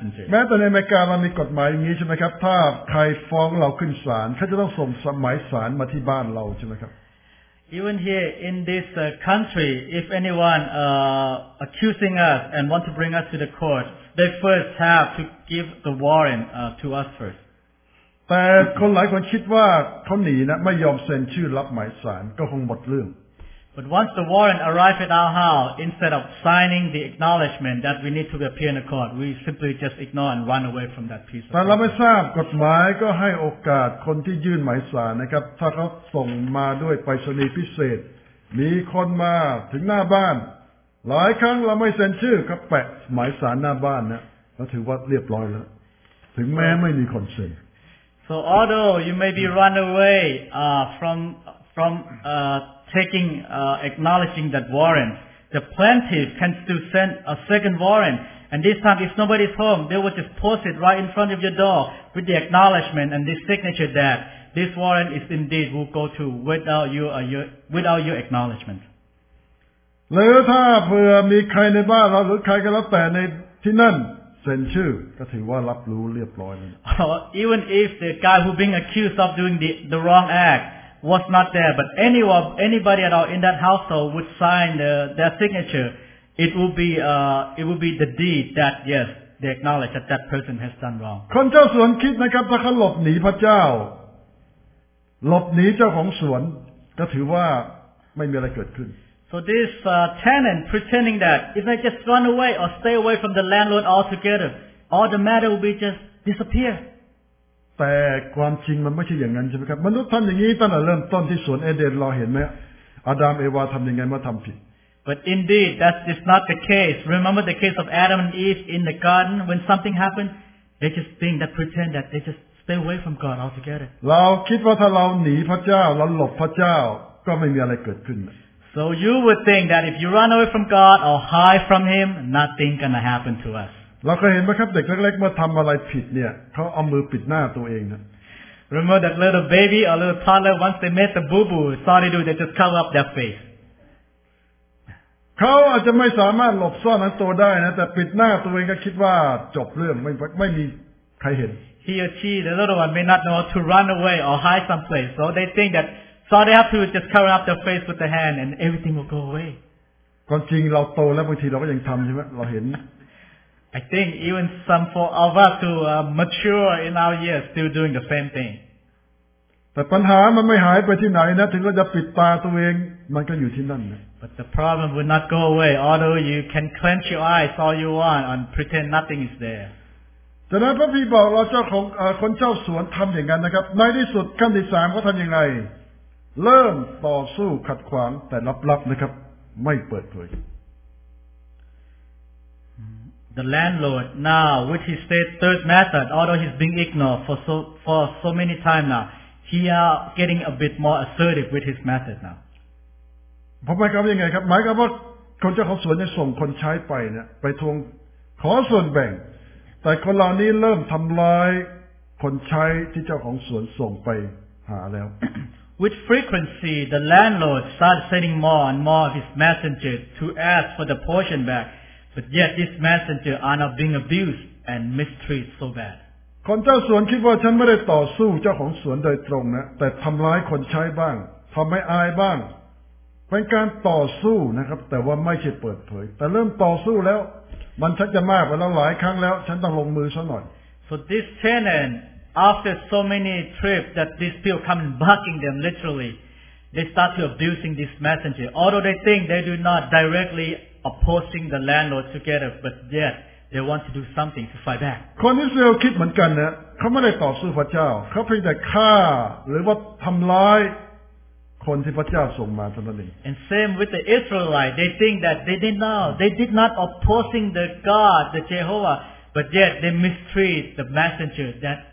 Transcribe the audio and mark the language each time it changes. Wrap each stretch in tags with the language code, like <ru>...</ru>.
<th>แม้แต่ในอเมริกาเรามีกฎหมายอย่างนี้ใช่ไหมครับถ้าใครฟ้องเราขึ้นศาลเขาจะต้องส่งหมายศาลมาที่บ้านเราใช่ไหมครับ</th> <en>Even here in this country, if anyone accusing us and want to bring us to the court, they first have to give the warrant to us first.</en> <th>แต่คนหลายคนคิดว่าเขาหนีนะไม่ยอมเซ็นชื่อรับหมายศาลก็คงหมดเรื่อง</th> <en>But once the warrant arrives at our house, instead of signing the acknowledgement that we need to appear in the court, we simply just ignore and run away from that piece of paper.</en> <th>แต่เราไม่ทราบกฎหมายก็ให้โอกาสคนที่ยื่นหมายศาลนะครับถ้าเขาส่งมาด้วยไปรษณีย์พิเศษมีคนมาถึงหน้าบ้านหลายครั้งเราไม่เซ็นชื่อก็แปะหมายศาลหน้าบ้านนะก็ถือว่าเรียบร้อยแล้วถึงแม้ไม่มีคนเซ็น</th> <en>So although you may be run away acknowledging that warrant, the plaintiff can still send a second warrant. And this time, if nobody's home, they will just post it right in front of your door with the acknowledgement and the signature that this warrant is indeed will go to without your acknowledgement.</en> <th>หรือถ้าเผื่อมีใครในบ้านเราหรือใครก็แล้วแต่ในที่นั่นเซ็นชื่อก็ถือว่ารับรู้เรียบร้อย</th> <en>Even if the guy who being accused of doing the wrong act was not there, but anybody at all in that household would sign their signature, it would be the deed that yes they acknowledge that person has done wrong.</en> <th>คนเจ้าสวนคิดนะครับถ้าเขาหลบหนีพระเจ้าหลบหนีเจ้าของสวนก็ถือว่าไม่มีอะไรเกิดขึ้น</th> <en>So this tenant pretending that if I just run away or stay away from the landlord altogether, all the matter will be just disappear.</en> <th>แต่ความจริงมันไม่ใช่อย่างนั้นใช่ไหมครับมนุษย์ทำอย่างนี้ตั้งแต่เริ่มต้นที่สวนเอเดนเราเห็นไหมอาดัมเอวาทำยังไงเมื่อทำผิด</th> <en>But indeed, that's not the case. Remember the case of Adam and Eve in the garden when something happened? They just think that pretend that they just stay away from God altogether.</en> <th>เราคิดว่าถ้าเราหนีพระเจ้าเราหลบพระเจ้าก็ไม่มีอะไรเกิดขึ้น</th> <en>So you would think that if you run away from God or hide from Him, nothing gonna happen to us.</en> <th>เราเคยเห็นไหมครับเด็กเล็กๆเมื่อทำอะไรผิดเนี่ยเขาเอามือปิดหน้าตัวเองนะ</th> <en>Remember that little baby or little toddler once they made the boo-boo, saw they do, they just cover up their face.</en> <th>เขาอาจจะไม่สามารถหลบซ่อนนั้นตัวได้นะแต่ปิดหน้าตัวเองก็คิดว่าจบเรื่องไม่มีใครเห็น</th> <en>He or she, the little one may not know to run away or hide someplace, so they think thatSo they have to just cover up their face with their hand and everything will go away.</en> <th>ความจริงเราโตแล้วบางทีเราก็ยังทำใช่ไหมเราเห็น</th> <en>I think even some for of us who are mature in our years still doing the same thing.</en> <th>แต่ปัญหามันไม่หายไปที่ไหนนะถึงเราจะปิดตาตัวเองมันก็อยู่ที่นั่นนะ</th> <en>But the problem will not go away although you can clench your eyes all you want and pretend nothing is there.</en> <th>ดังนั้นพระพี่บอกเราเจ้าของคนเจ้าสวนทำอย่างนั้นนะครับในที่สุดขั้นที่สามเขาทำยังไงเริ่มต่อสู้ขัดขวางแต่ลับๆนะครับไม่เปิดเผย</th> <en>The landlord now with his third method although he's being ignored for so many time now he are getting a bit more assertive with his method now</en> <th>ผมหมายความว่ายังไงครับหมายความว่าคนเจ้าของสวนได้ส่งคนใช้ไปเนี่ยไปทวงขอส่วนแบ่งแต่คนเหล่านี้เริ่มทำร้ายคนใช้ที่เจ้าของสวนส่งไปหาแล้ว</th> <en>With frequency, the landlord started sending more and more of his messengers to ask for the portion back, but yet these messengers are now being abused and mistreated so bad.</en> <th>คนเจ้าสวนคิดว่าฉันไม่ได้ต่อสู้เจ้าของสวนโดยตรงนะแต่ทำร้ายคนใช้บ้างทำให้อายบ้างเป็นการต่อสู้นะครับแต่ว่าไม่ใช่เปิดเผยแต่เริ่มต่อสู้แล้วมันชักจะมากไปแล้วหลายครั้งแล้วฉันต้องลงมือซะหน่อย</th> <en>So this tenantAfter so many trips that these people come bugging them, literally, they start to abusing this messenger. Although they think they do not directly opposing the landlord together, but yet they want to do something to fight back.</en> <th>คนอิสราเอลคิดเหมือนกันนะเขาไม่ได้ต่อสู้พระเจ้าเขาเพียงแต่ฆ่าหรือว่าทำร้ายคนที่พระเจ้าส่งมาเท่านั้นเอง</th> <en>And same with the Israelite, they think that they did not opposing the God, the Jehovah, but yet they mistreat the messenger that.</en>